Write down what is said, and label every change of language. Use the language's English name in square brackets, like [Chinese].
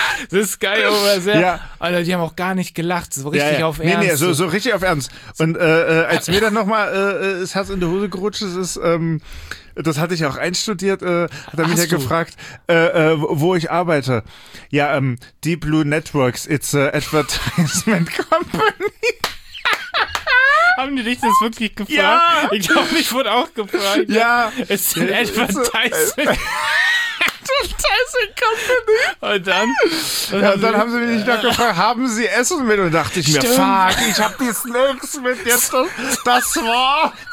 [English] The sky over there. [German] Ja. Alter, die haben auch gar nicht gelacht. So richtig auf Ernst. Nee, so richtig auf Ernst. Und als mir dann nochmal das Herz in die Hose gerutscht ist, das hatte ich auch einstudiert, hat er mich ja gefragt, wo ich arbeite. [English] Ja, Deep Blue Networks, it's an advertisement company. [German] Haben die dich das wirklich gefragt? Ja. Ich glaube, ich wurde auch gefragt. Ja. [English] It's an advertisement Company. [German] Und dann? Dann haben sie mich nicht gefragt, haben sie Essen mit? Und dachte ich mir, fuck, ich hab die Snacks mit, jetzt das war.